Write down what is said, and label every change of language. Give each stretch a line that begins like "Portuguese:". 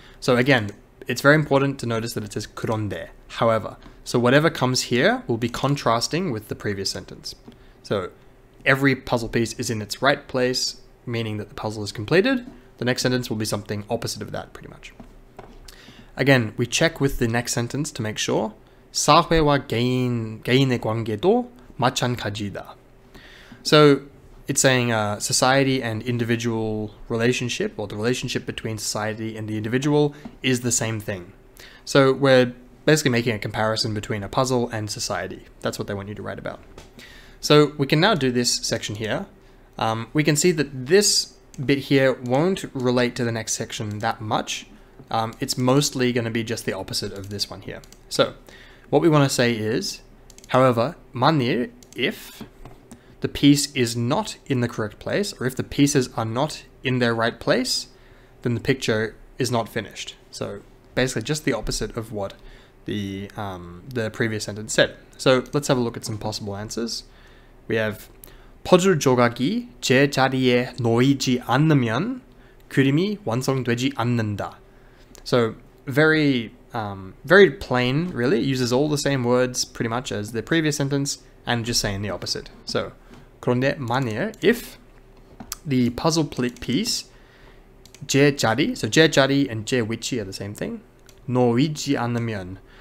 English: So again, it's very important to notice that it says 그런데, however. So whatever comes here will be contrasting with the previous sentence. So every puzzle piece is in its right place, meaning that the puzzle is completed. The next sentence will be something opposite of that, pretty much. Again, we check with the next sentence to make sure.
Korean: 사회와 개인의 관계도 마찬가지다.
English: So it's saying society and individual relationship, or the relationship between society and the individual, is the same thing. So we're basically making a comparison between a puzzle and society. That's what they want you to write about. So we can now do this section here. We can see that this bit here won't relate to the next section that much. It's mostly going to be just the opposite of this one here. So what we want to say is, however, 만일, if the piece is not in the correct place, or if the pieces are not in their right place, then the picture is not finished. So basically just the opposite of what the previous sentence said. So let's have a look at some possible answers. We have
Korean: 퍼즐 조각이 제 자리에 놓이지 않으면 그림이 완성되지 않는다.
English: So very, very plain, really. It uses all the same words pretty much as the previous sentence, and just saying the opposite. So
Korean: 그런데 만일,
English: if the puzzle piece 제 자리, so 제 자리 and 제 위치 are the same thing,
Korean: 놓이지 않으면.